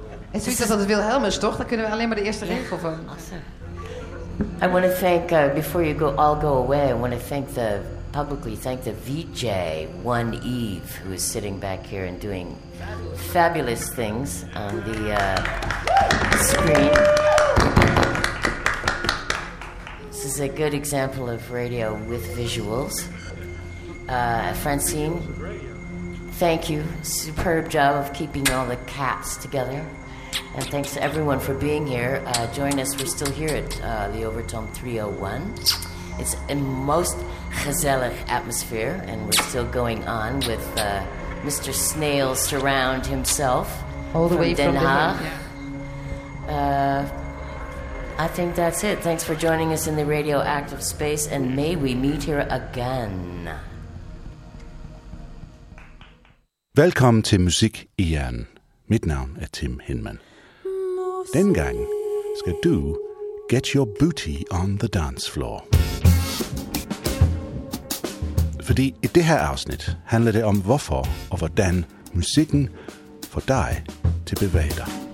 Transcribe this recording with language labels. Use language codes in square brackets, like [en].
[nl] En zoiets als dat het Wilhelmus, toch? Dan kunnen we alleen maar de eerste regel van. [en] Awesome. I want to thank, before you all go away, I want to publicly thank the VJ, One Eve, who is sitting back here and doing fabulous things on the screen. This is a good example of radio with visuals. Francine, thank you. Superb job of keeping all the cats together. And thanks to everyone for being here. Join us. We're still here at the Overtoom 301. It's a most gezellig atmosphere, and we're still going on with Mr. Snail Surround himself. All the from way Den from Den Haag. Yeah. I think that's it. Thanks for joining us in the radioactive space, and may we meet here again. [da] Velkommen til Musik i Hjernen. Mit navn er Tim Hinman. Den gang skal du [en] get your booty on the dance floor. [da] Fordi i det her afsnit handler det om hvorfor og hvordan musikken får dig til at bevæge dig.